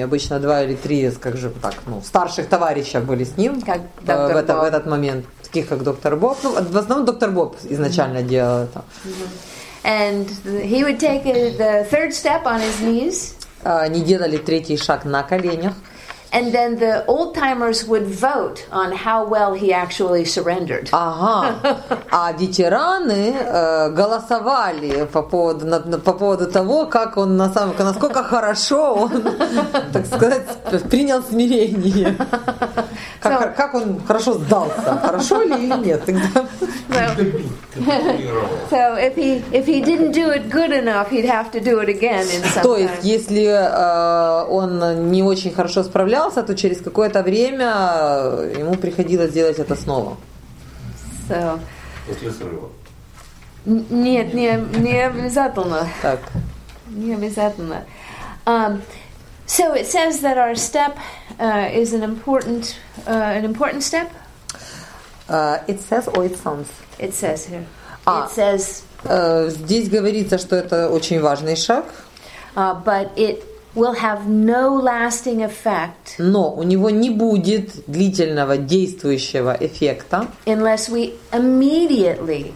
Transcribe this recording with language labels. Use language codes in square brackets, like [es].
[ru] Обычно два или три, скажем так, ну старших товарища были с ним в этот момент, таких как доктор Боб. Ну, в основном доктор Боб изначально делал это. [en] And he would take the third step on his knees. [ru] Они делали третий шаг на коленях. [en] And then the old timers would vote on how well he actually surrendered. [ru] Ага. А ветераны голосовали по поводу того, как он насколько хорошо он, так сказать, принял смирение. Как он хорошо сдался, хорошо ли или нет. [en] So if he didn't do it good enough, he'd have to do it again in some time. [ru] То есть если он не очень хорошо справлялся, то через какое-то время ему приходилось делать это снова. [en] So. [ru] После срыва. Нет, не обязательно. Так. Не обязательно. [en] So it says that our step is an important step. It says or it sounds. It says here. It says. [ru] Здесь говорится, что это очень важный шаг. [en] But it will have no lasting effect. [ru] Но у него не будет длительного действующего эффекта. [en] Unless we immediately.